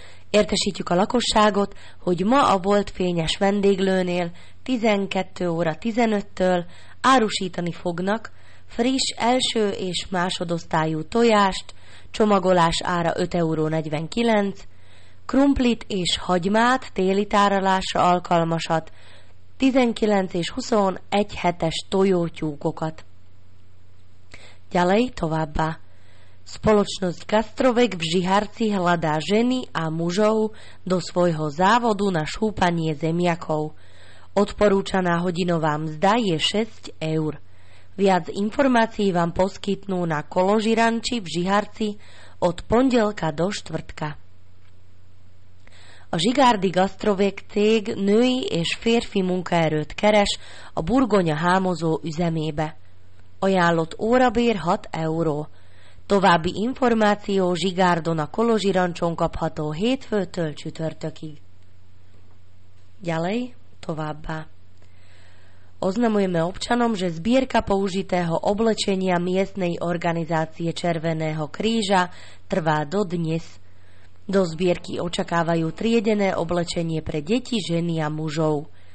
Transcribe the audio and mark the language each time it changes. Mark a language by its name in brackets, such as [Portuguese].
[Hungarian] Értesítjük a lakosságot, hogy ma a volt fényes vendéglőnél 12 óra 15-től árusítani fognak friss első és másodosztályú tojást, csomagolás ára 5,49 €, krumplit és hagymát téli tárolásra alkalmasat, 19 és 21 hetes tojótyúkokat. Gyalej továbbá. [Slovak] Spoločnosť Kastrovek v Žiharci hľadá ženy a mužov do svojho závodu na šúpanie zemiakov. Odporúčaná hodinová mzda je 6 €. Viac informácií vám poskytnú na Koložiranči v Žiharci od pondelka do štvrtka. [Hungarian] A Zsigárdi Gastrovek cég női és férfi munkaerőt keres a Burgonya hámozó üzemébe. Ajánlott órabér 6 €. További információ Zsigárdon a Kolozsirancson kapható hétfőtől csütörtökig. Gyalej, továbbá. [Slovak] Oznamujeme občanom, že zbierka použitého oblečenia miestnej organizácie Červeného kríža trvá do dnes. Do zbierky očakávajú triedené oblečenie pre deti, ženy a mužov.